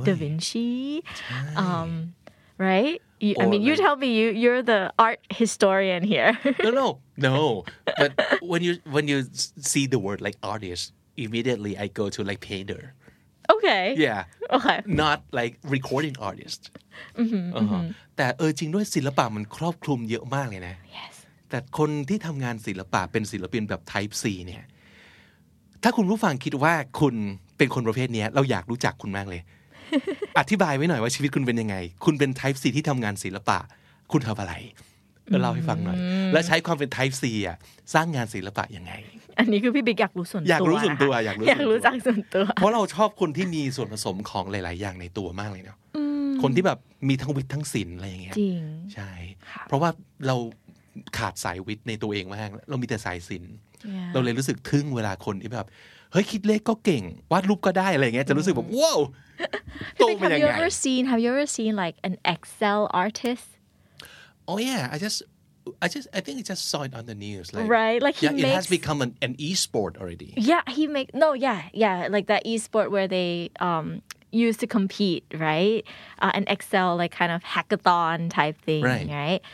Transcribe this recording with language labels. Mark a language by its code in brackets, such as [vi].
[en] Da Vinci. Right? I mean, you tell me, you're the art historian here. No. But when you see the word like artist, immediately I go to like painter. Okay. Yeah. Okay. Not like recording artist. Mm-hmm. [th] แต่จริงด้วยศิลปะมันครอบคลุมเยอะมากเลยนะ [en] Yes. [th] แต่คนที่ทำงานศิลปะเป็นศิลปินแบบ type C เนี่ยถ้าคุณผู้ฟังคิดว่าคุณเป็นคนประเภทนี้เราอยากรู้จักคุณมากเลยอธิบายไว้หน่อยว่าชีวิตคุณเป็นยังไงคุณเป็นไทป์ซีที่ทำงานศิลปะคุณทำอะไรเล่าให้ฟังหน่อยและใช้ความเป็นไทป์ซีอ่ะสร้างงานศิลปะยังไง อันนี้คือพี่บิ๊กอยากรู้ส่วนตัวอ ยากรู้ส่วนตัวอยากรู้อ ยากรู้จักส่วนตัว เพราะเราชอบคนที่มีส่วนผสมของหลายๆอย่างในตัวมากเลยเนาะคนที่แบบมีทั้งวิทย์ทั้งศิลป์อะไรอย่างเงี้ ย จริ ง ใช่เพราะว่าเราขาดสายวิทย์ในตัวเองมากเรามีแต่สายศิลป์เราเลยรู้สึกทึ่งเวลาคนที่แบบเฮ้ยคิดเลขก็เก่งวาดรูปก็ได้อะไรเงี้ยจะรู้สึกแบบว้าว โตมายังไง [en] Have you ever seen like an Excel artist? Oh yeah, I think I just saw it on the news. Like, right, like he yeah, makes it has become an e-sport already. Yeah, he make no yeah yeah like that e-sport where they used to compete, right? An Excel like kind of hackathon type thing, right?